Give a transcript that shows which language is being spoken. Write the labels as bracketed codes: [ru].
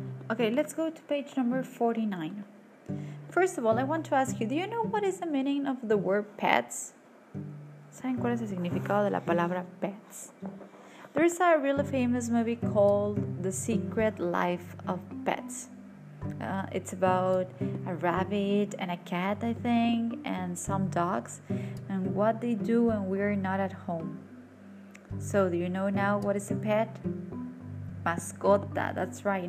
[en] Okay, let's go to page number 49. First of all, I want to ask you, do you know what is the meaning of the word pets? [es] ¿Saben cuál es el significado de la palabra pets? [en] There's a really famous movie called The Secret Life of Pets. It's about a rabbit and a cat, I think, and some dogs, and what they do when we're not at home. So do you know now what is a pet? Mascota, that's right.